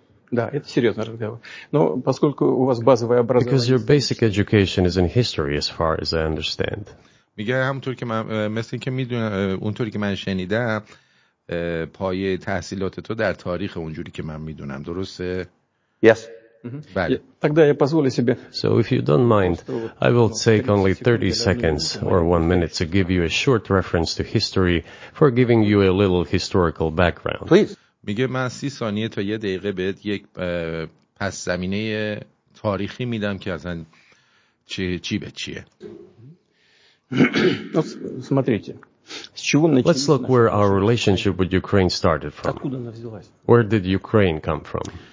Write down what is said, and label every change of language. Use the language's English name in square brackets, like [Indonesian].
[Russian] Да, это серьёзный разговор. Но поскольку у вас базовое образование. [English] Because your basic education is in history as far as I understand. [Persian] میگه همونطور که من مثل اینکه میدونم اونطوری که من شنیدم پایه تحصیلات تو در تاریخ اونجوری که من میدونم درسته؟ [English] Yes. [Russian] Бля. Тогда я позволю себе. [English] So if you don't mind, I will take only 30 seconds or 1 minute to give you a short reference to history for giving you a little historical background. Please. [Persian] میگه من 30 ثانیه تا یه دقیقه بهت یک پس زمینه تاریخی میدم که اصلا چی به چیه. [English] Let's look where our relationship with Ukraine started from. Where did Ukraine come from?